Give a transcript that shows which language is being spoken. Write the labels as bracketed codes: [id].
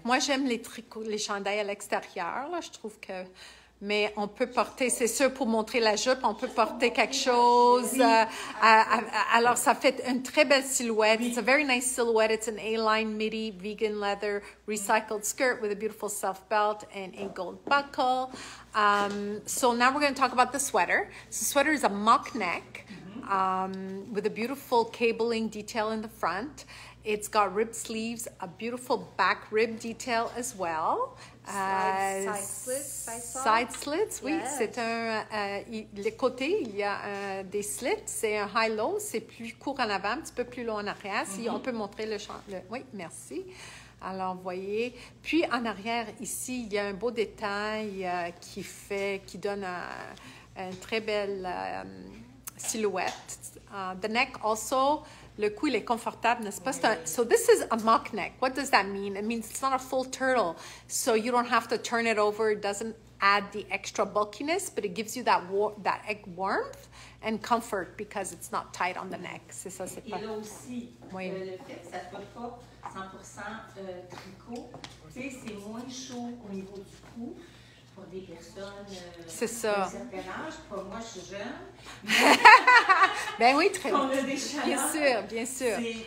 [fr] Moi, j'aime les tricots, les chandails à l'extérieur. Là, je trouve que... Mais on peut porter, c'est sûr, pour montrer la jupe, on peut porter quelque chose. Alors, ça fait une très belle silhouette. [en] It's a very nice silhouette. It's an A-line midi vegan leather recycled skirt with a beautiful self-belt and a gold buckle. So now we're going to talk about the sweater. So the sweater is a mock neck. with a beautiful cabling detail in the front. It's got ribbed sleeves, a beautiful back rib detail as well. Side slits, oui. Yes. [fr] C'est un, les côtés, il y a des slits. C'est un high-low. C'est plus court en avant, un petit peu plus long en arrière. Mm-hmm. Si on peut montrer le champ. Oui, merci. Alors, voyez. Puis, en arrière, ici, il y a un beau détail qui donne une très belle silhouette. [en] The neck also... [fr] Le cou, il est confortable, n'est-ce pas? [en] Oui. So this is a mock neck. What does that mean? It means it's not a full turtle. So you don't have to turn it over. It doesn't add the extra bulkiness, but it gives you that that egg warmth and comfort because it's not tight on the neck. [fr] C'est ça, c'est pas... Et là aussi, oui. Le fait que ça ne soit pas 100% tricot, c'est moins chaud au niveau du cou. Pour des personnes d'un certain âge, pour moi je suis jeune. Ben oui, très bien. On a des chaleurs. Bien sûr, bien sûr.